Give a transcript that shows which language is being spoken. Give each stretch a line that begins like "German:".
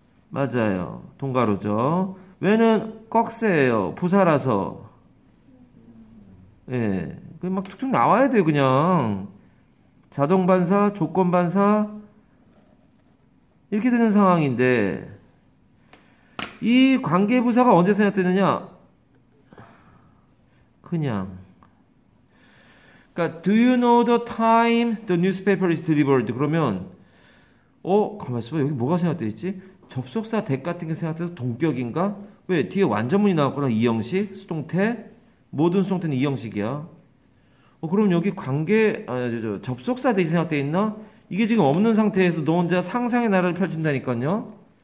Korean: 맞아요. 동가로죠. when은 꺽쇠예요. 부사라서. 예. 막 툭툭 나와야 돼요, 그냥. 자동반사, 조건반사. 이렇게 되는 상황인데. 이 관계부사가 언제 생략되느냐? 그냥.
English: 그러니까, Do you know the time the newspaper is delivered?
Korean: 그러면, 가만있어 봐. 여기 뭐가 생략되어 있지? 접속사 that 같은 게 생략돼서 동격인가? 왜? 뒤에 완전문이 나왔구나. 이형식? 수동태? 모든 수동태는 이형식이야. 그럼 여기 관계, 아니, 접속사 that이 생략되어 있나? 이게 지금 없는 상태에서 너 혼자 상상의 나라를 펼친다니까요?